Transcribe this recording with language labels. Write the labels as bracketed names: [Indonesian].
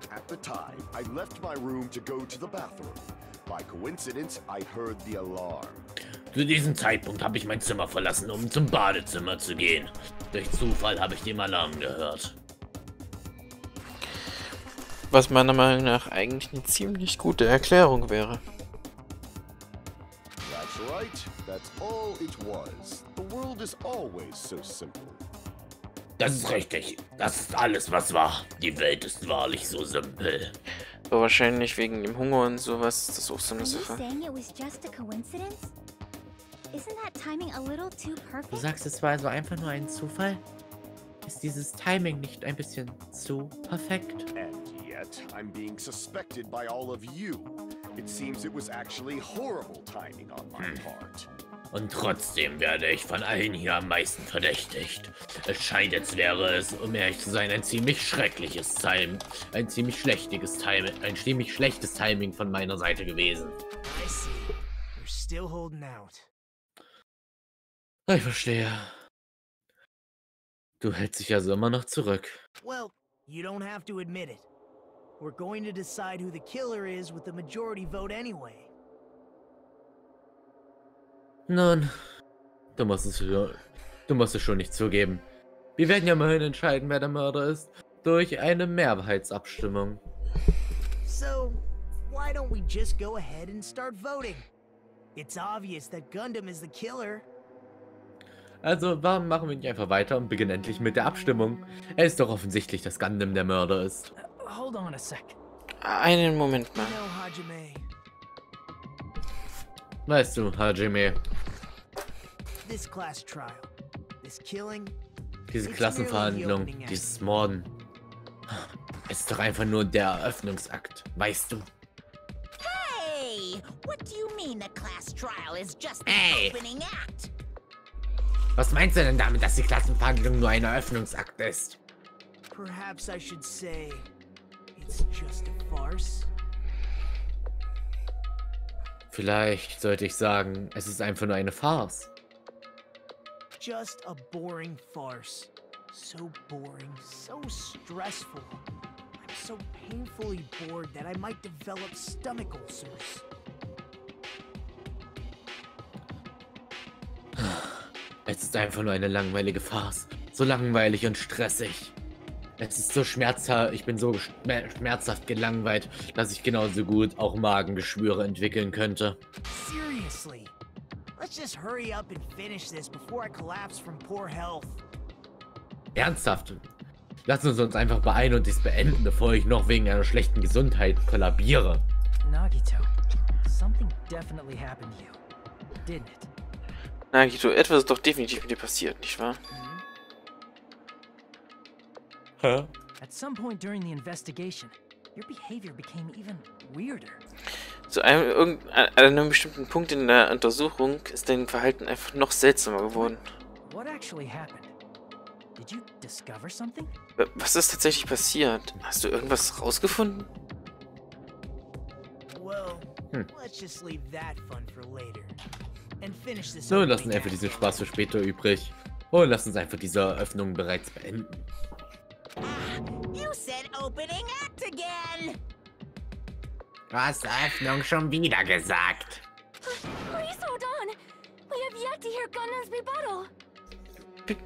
[English] At the time, I left my room to go to the bathroom. By coincidence, I heard the alarm. [German] Zu diesem Zeitpunkt habe ich mein Zimmer verlassen, um zum Badezimmer zu gehen. Durch Zufall habe ich den Alarm gehört. Was meiner Meinung nach eigentlich eine ziemlich gute Erklärung wäre. [English] That's right. That's all it was. The world is always so simple. [German] Das ist richtig. Das ist alles, was war. Die Welt ist wahrlich so simpel. Aber wahrscheinlich wegen dem Hunger und sowas ist das auch so eine Sache. [English] Isn't that timing a little too perfect? [German] Du sagst, es war also einfach nur ein Zufall? Ist dieses Timing nicht ein bisschen zu perfekt? [English] And yet, I'm being suspected by all of you. It seems it was actually horrible timing on my part. [German] Und trotzdem werde ich von allen hier am meisten verdächtigt. Es scheint, als wäre es, um ehrlich zu sein, ein ziemlich schlechtes Timing von meiner Seite gewesen. [English] I see. You're still holding out. [German] Ich verstehe. Du hältst dich also immer noch zurück. [English] Well, you don't have to admit it. We're going to decide who the killer is with the majority vote anyway. [German] Nun, du musst es schon nicht zugeben. Wir werden ja immerhin entscheiden, wer der Mörder ist, durch eine Mehrheitsabstimmung. [English] So, why don't we just go ahead and start voting? It's obvious that Gundam is the killer. [German] Also, warum machen wir nicht einfach weiter und beginnen endlich mit der Abstimmung? Es ist doch offensichtlich, dass Gundam der Mörder ist. [English] Hold on a sec. [German] Einen Moment mal. [English] You know, Hajime. [German] Weißt du, Hajime. [English] This class trial, this killing, [German] diese Klassenverhandlung, dieses Morden. Es ist doch einfach nur der Eröffnungsakt, weißt du? [English] Hey! What do you mean the class trial is just the hey. Opening act? [German] Was meinst du denn damit, dass die Klassenverhandlung nur ein Eröffnungsakt ist? [English] Perhaps I should say, it's just a farce. [German] Vielleicht sollte ich sagen, es ist einfach nur eine Farce. [English] Just a boring farce. So boring, so stressful. I'm so painfully bored that I might develop stomach ulcers. [German] Es ist einfach nur eine langweilige Farce. So langweilig und stressig. Es ist so schmerzhaft, ich bin so schmerzhaft gelangweilt, dass ich genauso gut auch Magengeschwüre entwickeln könnte. [English] Seriously? Let's just hurry up and finish this before I collapse from poor health. [German] Ernsthaft? Lass uns einfach beeilen und dies beenden, bevor ich noch wegen einer schlechten Gesundheit kollabiere. [English] Nagito, something definitely happened to you, didn't it? [German] Nagito, etwas ist doch definitiv mit dir passiert, nicht wahr? Hä? [English] At some point during the investigation, your behavior became even weirder. [German] Zu einem, an einem bestimmten Punkt in der Untersuchung ist dein Verhalten einfach noch seltsamer geworden. [English] What actually happened? Did you discover something? [German] Was ist tatsächlich passiert? Hast du irgendwas rausgefunden? [English] Well, let's just leave that fun for later. And finish this. [German] Nun, lassen wir einfach diesen Spaß für später übrig. Und lass uns einfach diese Eröffnung bereits beenden. [English] You said opening act again! [German] Was, Eröffnung schon wieder gesagt? [English] Please hold on! We have yet to hear Gundam's rebuttal!